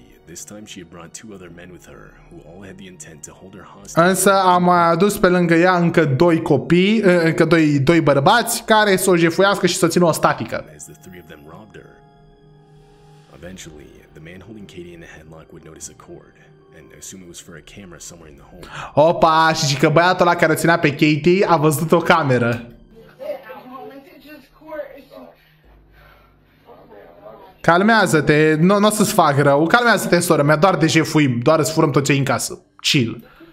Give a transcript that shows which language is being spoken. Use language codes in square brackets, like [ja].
[en] This time she had brought two other men with her who all had the intent to hold her hostage. [ro] Însă a mai adus pe lângă ea încă doi copii, încă doi bărbați care să o jefuiască și să țină o statică. [en] As the three of them robbed her. Eventually, the man holding Katie in the headlock would notice a cord and assume it was for a camera somewhere in the home. [ro] Opa, și zic că băiatul ăla care ținea pe Katie a văzut o cameră. Calmează-te, nu, n-o să-ți fac rău. Calmează-te, soră mea, doar de jefuim. Doar îți furăm tot ce-i în casă. Chill.